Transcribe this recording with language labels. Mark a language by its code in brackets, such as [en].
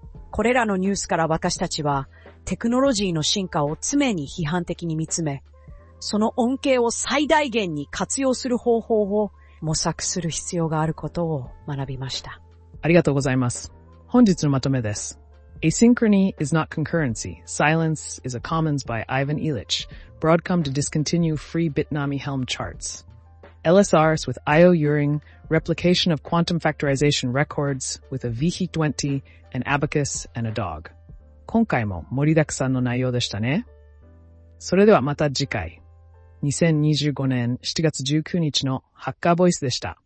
[ja] これらのニュースから私たちは、テクノロジーの進化を常に批判的に見つめ、その恩恵を最大限に活用する方法を模索する必要があることを学びました。ありがとうございます。本日のまとめです。 [en] Asynchrony is not concurrency. Silence is a commons by Ivan Illich. Broadcom to discontinue free Bitnami Helm charts. LSRs with IO Euring, replication of quantum factorization records with a VH20, an abacus, and a dog. [ja] 今回も盛りだくさんの内容でしたね。それではまた次回。2025年7月19日のハッカーボイスでした。